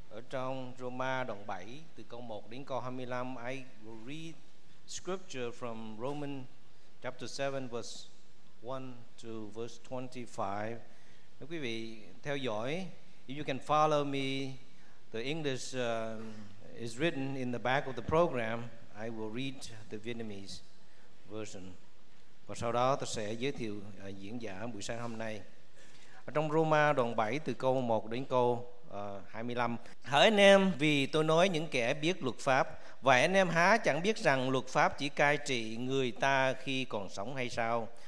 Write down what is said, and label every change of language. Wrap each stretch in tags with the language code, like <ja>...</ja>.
<vi>trong Roma đoạn 7 từ câu 1 đến câu 25.</vi> <en>I will read scripture from Romans chapter 7 verse 1 to verse 25.</en> <vi>Nếu quý vị theo dõi,</vi> <en>if you can follow me, the English is written in the back of the program. I will read the Vietnamese version.</en> <vi>Và sau đó tôi sẽ giới thiệu diễn giả buổi sáng hôm nay. Ở trong Roma đoạn 7 từ câu 1 đến câu 25. Hỡi anh em, vì tôi nói những kẻ biết luật pháp, vậy anh em há chẳng biết rằng luật pháp chỉ cai trị người ta khi còn sống hay sao?</vi>